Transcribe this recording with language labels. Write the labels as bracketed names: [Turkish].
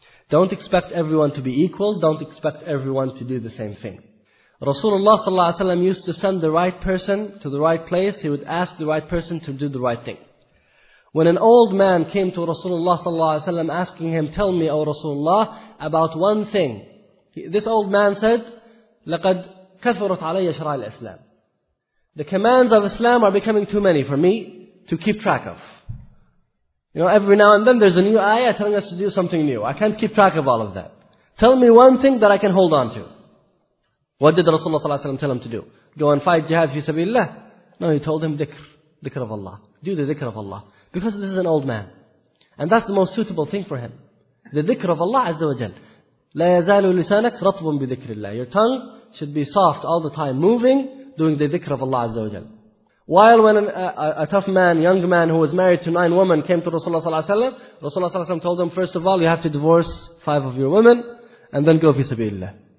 [English] Don't expect everyone to be equal. Don't expect everyone to do the same thing. Rasulullah sallallahu alaihi wasallam used to send the right person to the right place. He would ask the right person to do the right thing. When an old man came to Rasulullah sallallahu alaihi wasallam asking him, tell me, O Rasulullah, about one thing. This old man said, [Arabic] لَقَدْ كَثُرَتْ عَلَيَّ شَرَعِ الْإِسْلَامِ. [English] The commands of Islam are becoming too many for me to keep track of. You know, every now and then there's a new ayah telling us to do something new. I can't keep track of all of that. Tell me one thing that I can hold on to. What did Rasulullah sallallahu alaihi wasallam tell him to do? Go and fight jihad fi sabilillah? No, he told him dhikr of Allah. Do the dhikr of Allah. Because this is an old man. And that's the most suitable thing for him. The dhikr of Allah azza wa jal. [Arabic] لا يزال لسانك رطب بذكر الله. [English] Your tongue should be soft all the time, moving, doing the dhikr of Allah azza wa jal. While when a tough man, young man who was married to 9 women came to Rasulullah sallallahu alaihi wasallam, Rasulullah sallallahu alaihi wasallam told him, first of all, you have to divorce 5 of your women and then go fi sabilillah.